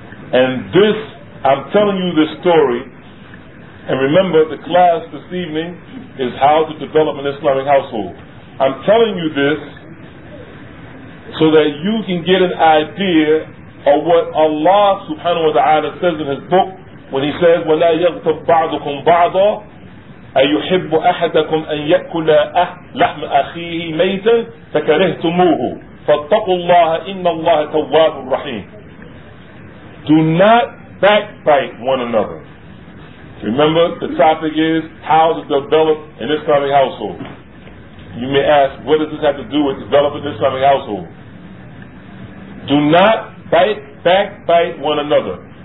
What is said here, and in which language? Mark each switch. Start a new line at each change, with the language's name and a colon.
English: And this, I'm telling you this story, and remember, the class this evening is how to develop an Islamic household. I'm telling you this so that you can get an idea of what Allah subhanahu wa ta'ala says in his book when he says,
Arabic: وَلَا يَغْتَبْ بَعْضُكُمْ بَعْضًا أيحب أحدكم أن يأكل لحم أخيه ميتا فكرهتموه فاتقوا الله إن الله تواب رحيم.
English: Do not backbite one another. Remember, the topic is how to develop an Islamic household. You may ask, what does this have to do with developing an Islamic household? Do not backbite one another.